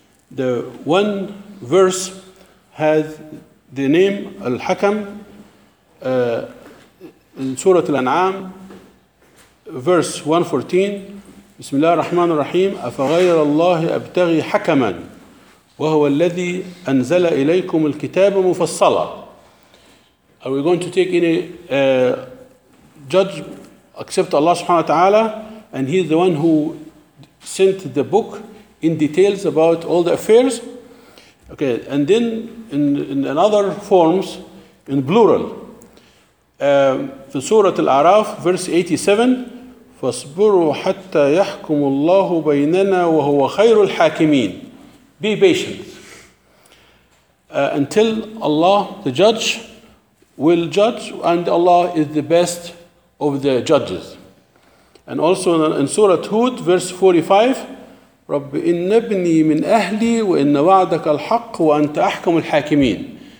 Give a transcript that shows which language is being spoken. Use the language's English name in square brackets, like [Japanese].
[English] The one verse has the name Al-Hakam, in Surah Al-An'am, verse 114, Bismillah ar-Rahman ar-Rahim, [Arabic] أَفَغَيْرَ اللَّهِ أَبْتَغِي حَكَمًا وَهُوَ الَّذِي أَنْزَلَ إِلَيْكُمُ الْكِتَابَ مُفَصَّلًا. [English] Are we going to take any judge except Allah subhanahu wa ta'ala? And he's the one who sent the book in details about all the affairs. Okay, and then in other forms, in plural, [Arabic] في سورة الأعراف [English] verse 87, [Arabic] فاصبروا حتى يحكم الله بيننا وهو خير الحاكمين. [English] Be patient until Allah the judge will judge, and Allah is the best of the judges. And also in [Arabic] سورة هود [English] verse 45, [Arabic] رب إن ابني من أهلي وإن وعدك الحق وأنت أحكم الحاكمين.